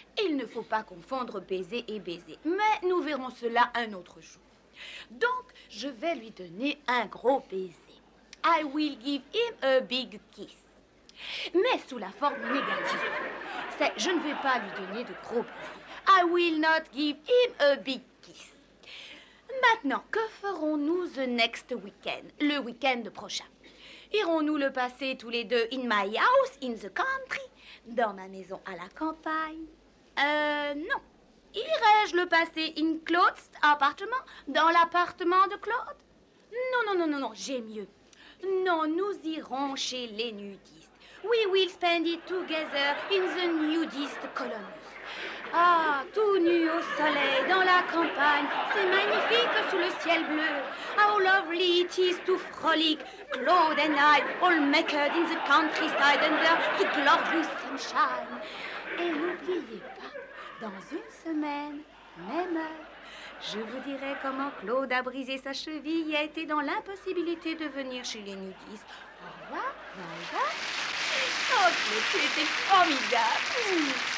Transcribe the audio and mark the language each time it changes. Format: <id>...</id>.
<fr>Il ne faut pas confondre baiser et baiser. Mais nous verrons cela un autre jour. Donc, je vais lui donner un gros baiser.</fr> <en>I will give him a big kiss.</en> <fr>Mais sous la forme négative. C'est, je ne vais pas lui donner de gros baisers.</fr> <en>I will not give him a big kiss.</en> <fr>Maintenant, que ferons-nous</fr> <en>the next weekend,</en> <fr>le week-end prochain? Irons-nous le passer tous les deux</fr> <en>in my house, in the country,</en> <fr>dans ma maison à la campagne? Non. Irais-je le passer</fr> <en>in Claude's apartment,</en> <fr>dans l'appartement de Claude? Non, non, non, non, non, j'ai mieux. Non, nous irons chez les nudistes.</fr> <en>We will spend it together in the nudist colony.</en> <fr>Ah, tout nu au soleil, dans la campagne, c'est magnifique sous le ciel bleu.</fr> <en>How lovely it is to frolic, Claude and I, all naked in the countryside under the glorious sunshine.</en> <fr>Et n'oubliez pas, dans une semaine, même heure, je vous dirai comment Claude a brisé sa cheville et a été dans l'impossibilité de venir chez les nudistes. Au revoir, au revoir. Oh, c'était formidable.</fr>